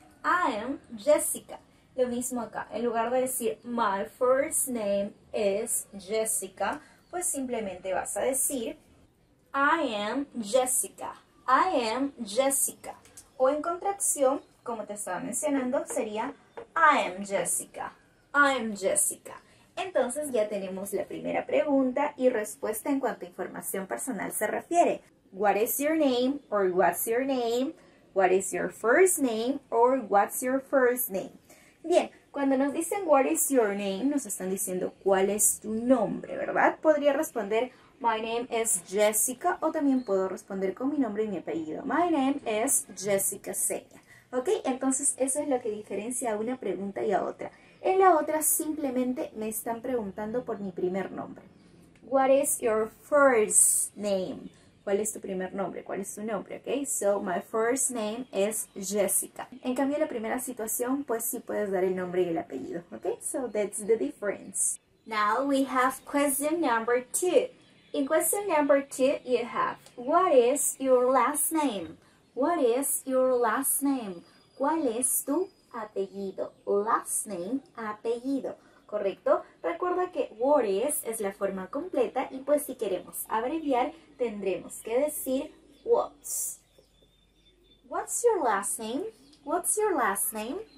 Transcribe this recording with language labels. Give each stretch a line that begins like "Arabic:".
English: I am Jessica.
Spanish: Lo mismo acá. En lugar de decir,
English: my first name is Jessica,
Spanish: pues simplemente vas a decir, I am Jessica.
English: I am Jessica.
Spanish: O en contracción, como te estaba mencionando, sería, I am Jessica.
English: I am Jessica.
Spanish: Entonces ya tenemos la primera pregunta y respuesta en cuanto a información personal se refiere.
English: What is your name or what's your name? What is your first name or what's your first name?
Spanish: Bien, cuando nos dicen
English: what is your name,
Spanish: nos están diciendo cuál es tu nombre, ¿verdad? Podría responder
English: my name is Jessica
Spanish: o también puedo responder con mi nombre y mi apellido.
English: My name is Jessica Seña.
Spanish: ¿Ok? Entonces eso es lo que diferencia a una pregunta y a otra. En la otra simplemente me están preguntando por mi primer nombre.
English: What is your first name?
Spanish: ¿Cuál es tu primer nombre? ¿Cuál es tu nombre? Okay?
English: So, my first name is Jessica.
Spanish: En cambio, en la primera situación, pues sí puedes dar el nombre y el apellido.
English: Okay? So, that's the difference. Now, we have question number two. In question number two, you have, what is your last name? What is your last name?
Spanish: ¿Cuál es tu apellido,
English: last name,
Spanish: apellido, ¿correcto? Recuerda que what es la forma completa y pues si queremos abreviar, tendremos que decir what's.
English: What's your last name? What's your last name?